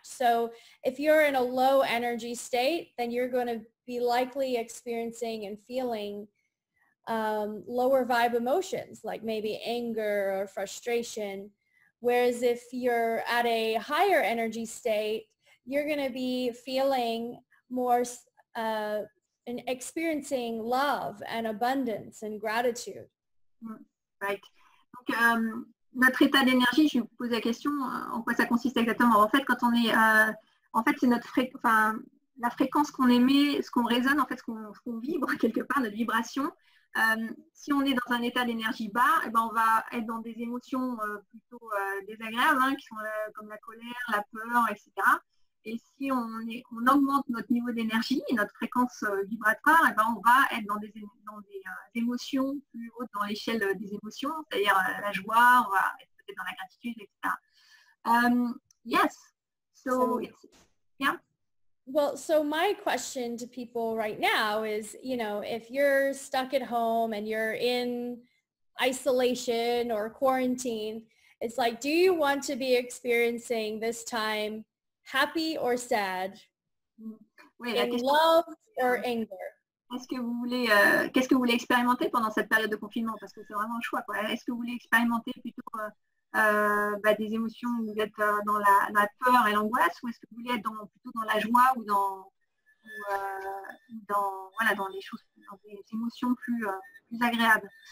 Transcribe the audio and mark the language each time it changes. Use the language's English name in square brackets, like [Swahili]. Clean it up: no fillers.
[English] So if you're in a low energy state, then you're going to be likely experiencing and feeling lower vibe emotions, like maybe anger or frustration. Whereas if you're at a higher energy state, you're going to be feeling more and experiencing love and abundance and gratitude. Right. [French] Donc, notre état d'énergie, je vous pose la question, en quoi ça consiste exactement? En fait, quand on est, en fait, c'est notre la fréquence qu'on émet, ce qu'on résonne, en fait, ce qu'on vibre quelque part, notre vibration. Si on est dans un état d'énergie bas, eh ben on va être dans des émotions plutôt désagréables, hein, qui sont comme la colère, la peur, etc. Et si on augmente notre niveau d'énergie, notre fréquence vibratoire, eh ben on va être dans des émotions plus hautes dans l'échelle des émotions, c'est-à-dire la joie, on va être dans la gratitude, etc. [English] Yes. So it's, yeah. Well, so my question to people right now is, you know, if you're stuck at home and you're in isolation or quarantine, it's like, do you want to be experiencing this time happy or sad? [French] Oui, [English] in love or anger? [French] Qu'est-ce que vous voulez expérimenter pendant cette période de confinement? Parce que c'est vraiment le choix, quoi. Est-ce que vous voulez expérimenter plutôt des émotions où vous êtes dans la peur et l'angoisse, ou est-ce que vous voulez être plutôt dans la joie ou dans des émotions plus agréables?